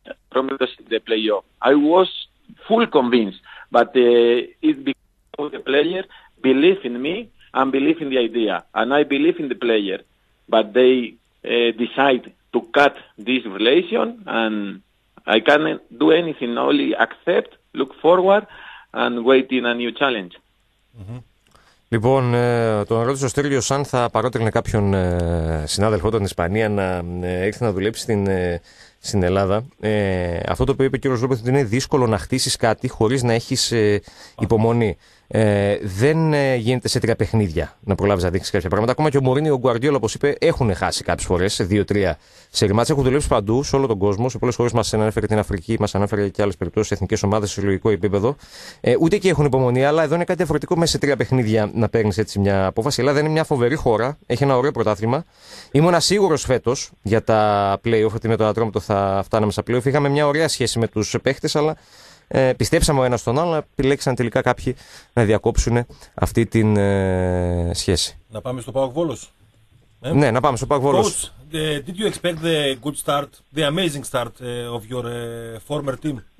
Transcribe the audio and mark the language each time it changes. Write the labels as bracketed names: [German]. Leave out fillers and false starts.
[English] From the playoff, I was. Full convinced, but it because the player believe in me and believe in the idea, and I believe in the player, but they decide to cut this relation, and I can't do anything, only accept, look forward, and wait in a new challenge. Mm-hmm. [Greek] Λοιπόν, τον ρώτησε ο Στέλιος αν θα παρότρινε κάποιον συνάδελφό του από την Ισπανία να έρθει να δουλέψει στην Ελλάδα. Αυτό το οποίο είπε ο κ. Λόπεθ ότι είναι δύσκολο να χτίσεις κάτι χωρίς να έχεις υπομονή. Δεν γίνεται σε 3 παιχνίδια να προλάβεις να δείξεις κάποια πράγματα. Ακόμα και ο Μωρίνι, ο Γκουαρδιόλα, όπως είπε, έχουν χάσει κάποιες φορές, 2-3 σε ρημάτσες. Έχουν δουλέψει παντού, σε όλο τον κόσμο. Σε πολλές χώρες μας ανέφερε την Αφρική, μας ανέφερε και άλλες περιπτώσεις, εθνικές ομάδες, συλλογικό επίπεδο. Ούτε και έχουν υπομονή, αλλά εδώ είναι κάτι διαφορετικό μέσα σε 3 παιχνίδια να παίρνεις έτσι μια απόφαση. Η Ελλάδα είναι μια φοβερή χώρα, έχει ένα ωραίο πρωτάθλημα. Ήμουν σίγουρος φέτος για τα playoff, ότι με τον Ατρόμητο θα φτάναμε στα playoff. Είχαμε μια ωραία σχέση με τους παίχτες, αλλά. Πιστέψαμε ο ένας τον άλλο, αλλά επιλέξαν τελικά κάποιοι να διακόψουν αυτή τη σχέση. Να πάμε στο ΠΑΟΚ Βόλος. Ναι, να πάμε στο ΠΑΟΚ Βόλος. [English] Coach, did you expect the good start, the amazing start of your former team?